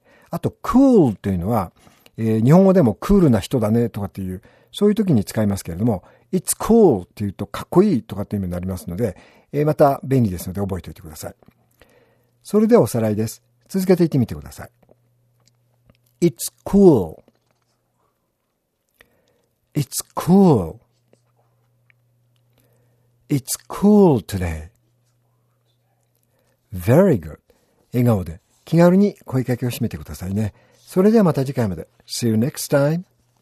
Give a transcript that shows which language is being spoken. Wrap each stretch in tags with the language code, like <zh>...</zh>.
<ja>あと、cool というのは、日本語でもクールな人だねとかっていう、そういう時に使いますけれども、</ja> <en>it's cool</en> <ja>っていうとかっこいいとかっていう意味になりますので、また便利ですので覚えておいてください。それではおさらいです。続けて言ってみてください。</ja> <en>it's cool.it's cool.it's cool today.very good.</en> <ja>笑顔で。気軽に声かけを締めてくださいね。それではまた次回まで。</ja> <en>See you next time.</en>